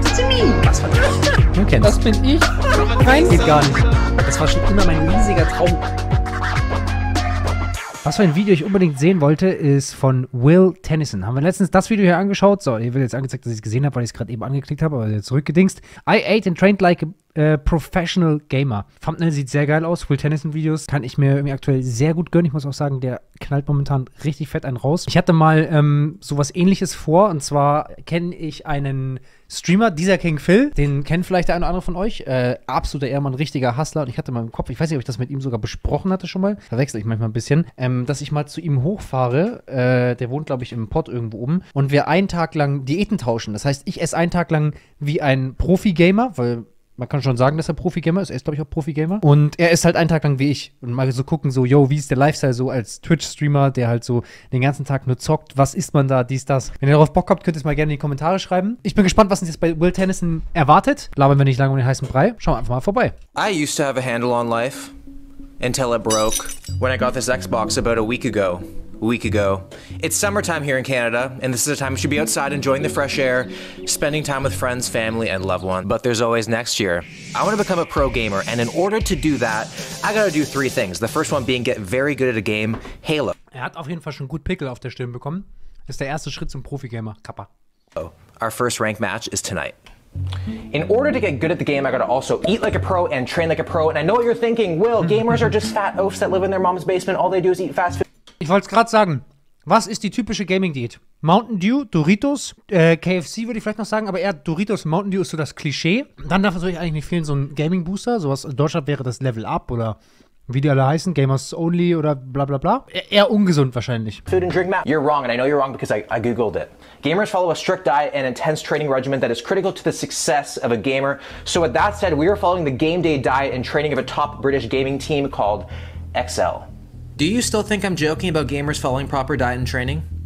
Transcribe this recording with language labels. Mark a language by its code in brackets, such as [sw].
[de] Was kennst du? Das bin ich. Nein, geht gar nicht. Das war schon immer mein riesiger Traum. Was für ein Video ich unbedingt sehen wollte, ist von Will Tennyson. Haben wir letztens das Video hier angeschaut? So, ihr wird jetzt angezeigt, dass ich es gesehen habe, weil ich es gerade eben angeklickt habe, aber jetzt zurückgedingst. [en] I ate and trained like a professional gamer. [de] Thumbnail sieht sehr geil aus. Will Tennyson Videos kann ich mir irgendwie aktuell sehr gut gönnen. Ich muss auch sagen, der knallt momentan richtig fett einen raus. Ich hatte mal sowas Ähnliches vor, und zwar kenne ich einen Streamer, dieser King Phil, den kennt vielleicht der eine oder andere von euch. Absoluter Ehrmann, richtiger Hustler. Und ich hatte mal im Kopf, ich weiß nicht, ob ich das mit ihm sogar besprochen hatte schon mal, verwechsel ich manchmal ein bisschen, dass ich mal zu ihm hochfahre. Der wohnt, glaube ich, im Pott irgendwo oben. Und wir einen Tag lang Diäten tauschen. Das heißt, ich esse einen Tag lang wie ein Profi-Gamer, weil man kann schon sagen, dass er Profi-Gamer ist. Er ist, glaube ich, auch Profi-Gamer. Und er ist halt einen Tag lang wie ich. Und mal so gucken, so, yo, wie ist der Lifestyle so als Twitch-Streamer, der halt so den ganzen Tag nur zockt. Was isst man da, dies, das? Wenn ihr darauf Bock habt, könnt ihr es mal gerne in die Kommentare schreiben. Ich bin gespannt, was uns jetzt bei Will Tennyson erwartet. Labern wir nicht lange um den heißen Brei. Schauen wir einfach mal vorbei. [en] I used to have a handle on life. Until it broke. When I got this Xbox about a week ago. It's summertime here in Canada, and this is a time you should be outside enjoying the fresh air, spending time with friends, family, and loved ones. But there's always next year. I want to become a pro gamer, and in order to do that, I gotta do three things. The first one being get very good at a game, Halo. [de] Er hat auf jeden Fall schon gut Pickel auf der Stirn bekommen. Das ist der erste Schritt zum Profi-Gamer. Kappa. [en] Our first ranked match is tonight. In order to get good at the game, I gotta also eat like a pro and train like a pro. And I know what you're thinking, Will, gamers are just fat oafs that live in their mom's basement. All they do is eat fast food. [de] Ich wollte es gerade sagen, was ist die typische Gaming-Diät? Mountain Dew, Doritos, KFC würde ich vielleicht noch sagen, aber eher Doritos und Mountain Dew ist so das Klischee. Dann darf es euch eigentlich nicht fehlen, so ein Gaming-Booster, sowas in Deutschland wäre das Level Up oder wie die alle heißen, Gamers Only oder bla bla bla. Eher ungesund wahrscheinlich. [en] Food and drink map. You're wrong and I know you're wrong because I googled it. Gamers follow a strict diet and intense training regimen that is critical to the success of a gamer. So with that said, we are following the game day diet and training of a top British gaming team called XL. Do you still think I'm joking about gamers following proper diet and training?